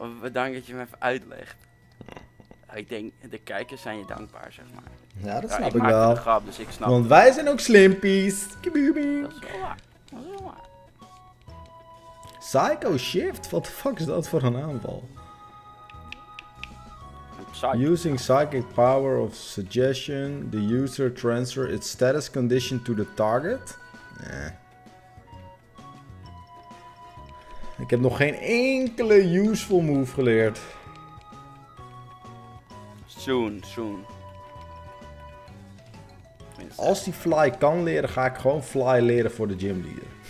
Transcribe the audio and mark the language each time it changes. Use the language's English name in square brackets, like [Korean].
[Dutch] Bedankt dat je me even uitlegt. Ik denk, de kijkers zijn je dankbaar, zeg maar. Ja, dat snap ik wel. Ik maak een grap, dus ik snap Want wij zijn ook slimpies. Dat is wel waar. Psycho Shift? [English] What the fuck [Dutch] is dat voor een aanval? [English] Using psychic power of suggestion, the user transfer its status condition to the target? [Dutch] Nee. Ik heb nog geen enkele useful move geleerd. [English] Soon. [Dutch] Als die fly kan leren, ga ik gewoon fly leren voor de gym leader.